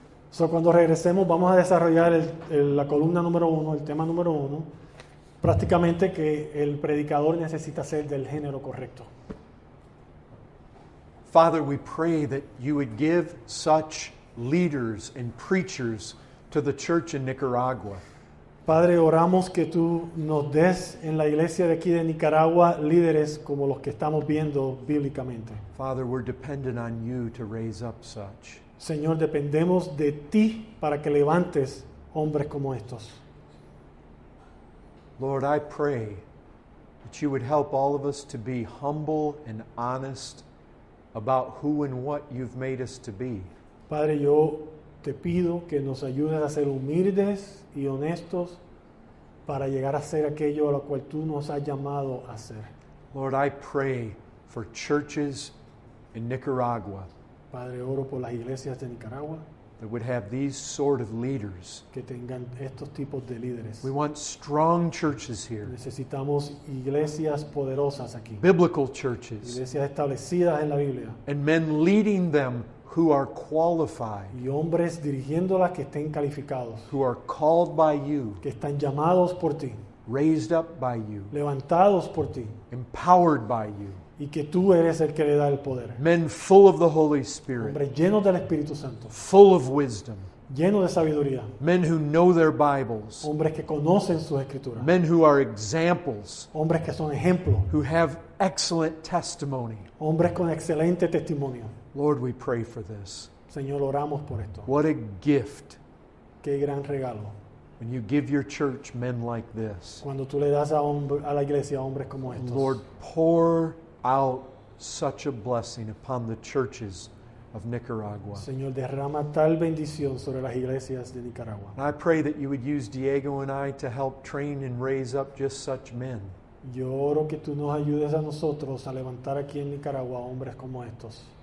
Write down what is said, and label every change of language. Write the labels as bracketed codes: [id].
[es] So cuando regresemos, vamos a desarrollar la columna número uno, el tema número uno, prácticamente que el predicador necesita ser del género correcto. [en] Father, we pray that you would give such leaders and preachers to the church in Nicaragua. [es] Padre, oramos que tú nos des en la iglesia de aquí de Nicaragua líderes como los que estamos viendo bíblicamente. [en] Father, we're dependent on you to raise up such. [es] Señor, dependemos de ti para que levantes hombres como estos. [en] Lord, I pray that you would help all of us to be humble and honest about who and what you've made us to be. [es] Padre, yo te pido que nos ayudes a ser humildes y honestos para llegar a ser aquello a lo cual tú nos has llamado a ser. [en] Lord, I pray for churches in Nicaragua. [es] Padre, oro por las iglesias de Nicaragua. [en] That would have these sort of leaders. [es] Que tengan estos tipos de líderes. [en] We want strong churches here. [es] Necesitamos iglesias poderosas aquí. [en] Biblical churches. [es] Iglesias establecidas en la Biblia. [en] And men leading them who are qualified. [es] Y hombres dirigiéndolas que estén calificados. [en] Who are called by you. [es] Que están llamados por ti. [en] Raised up by you. [es] Levantados por ti. [en] Empowered by you. [es] Y que tú eres el que le da el poder. [en] Men full of the Holy Spirit. [es] Hombres llenos del Espíritu Santo. [en] Full of wisdom. [es] Llenos de sabiduría. [en] Men who know their Bibles. [es] Hombres que conocen sus escrituras. [en] Men who are examples. [es] Hombres que son ejemplos. [en] Who have excellent testimony. [es] Hombres con excelente testimonio. [en] Lord, we pray for this. [es] Señor, oramos por esto. [en] What a gift. [es] Qué gran regalo. [en] When you give your church men like this. [es] Cuando tú le das a la iglesia hombres como estos. [en] Lord, pour out such a blessing upon the churches of Nicaragua. [es] Señor, derrama tal bendición sobre las iglesias de Nicaragua. [en] And I pray that you would use Diego and I to help train and raise up just such men. [es] Yo oro que tú nos ayudes a nosotros a levantar aquí en Nicaragua hombres como estos.